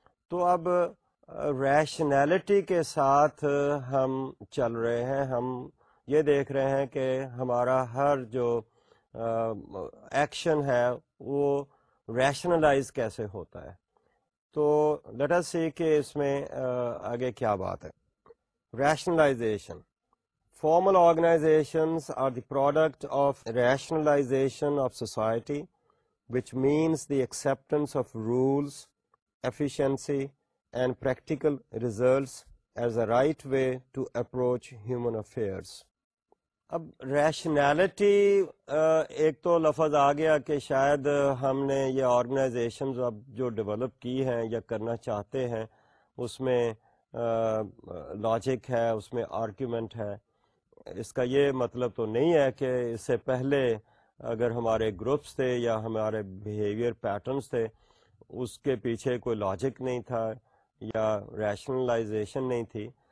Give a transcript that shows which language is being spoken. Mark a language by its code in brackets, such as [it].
[ur] تو اب ریشنیلٹی کے ساتھ ہم چل رہے ہیں, ہم یہ دیکھ رہے ہیں کہ ہمارا ہر جو ایکشن ہے وہ ریشنلائز کیسے ہوتا ہے. تو [en] let us see [ur] کہ اس میں آگے کیا بات ہے. [en] Rationalization, formal organizations are the product of rationalization of society, which means the acceptance of rules, efficiency and practical results as a right way to approach human affairs. [ur] اب rationality ایک تو لفظ آ گیا کہ شاید ہم نے یہ organizations اب جو develop کی ہیں یا کرنا چاہتے ہیں اس میں logic ہے, اس میں argument ہے. اس کا یہ مطلب تو نہیں ہے کہ اس سے پہلے اگر ہمارے گروپس تھے یا ہمارے بیہیویئر پیٹرنس تھے اس کے پیچھے کوئی لاجک نہیں تھا یا ریشنلائزیشن نہیں تھی.